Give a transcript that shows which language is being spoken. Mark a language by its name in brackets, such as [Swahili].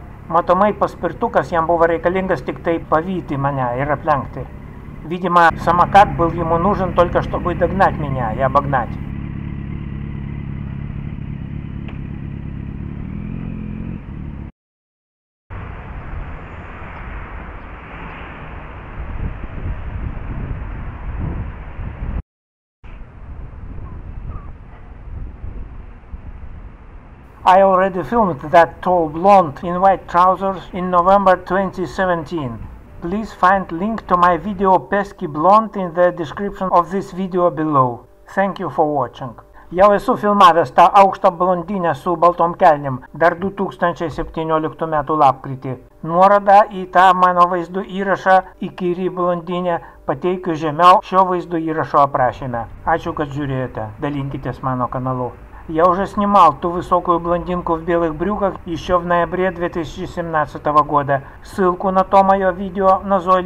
[Lithuanian] Matomai paspirtukas jam buvo reikalingas tik tai pavyti mane ir aplenkti. [Russian] Видимо, самокат был ему нужен только чтобы догнать меня и обогнать. [English] I already filmed that tall blonde in white trousers in November 2017. Please find link to my video Pesky Blonde in the description of this video below. Thank you for watching. [Lithuanian] Jau esu filmavęs tą aukštą blondinę su baltom kelnim dar 2017 metų lapkritį. Nuorodą į tą mano vaizdo įrašą įkyri blondinę pateikiu žemiau šio vaizdo įrašo aprašyme. Ačiū, kad žiūrėjote. Dalinkitės mano kanalu. [Russian] Я уже снимал ту высокую блондинку в белых брюках еще в ноябре 2017 года. Ссылку на то мое видео «Назойливая блондинка» даю ниже в описании этого видео.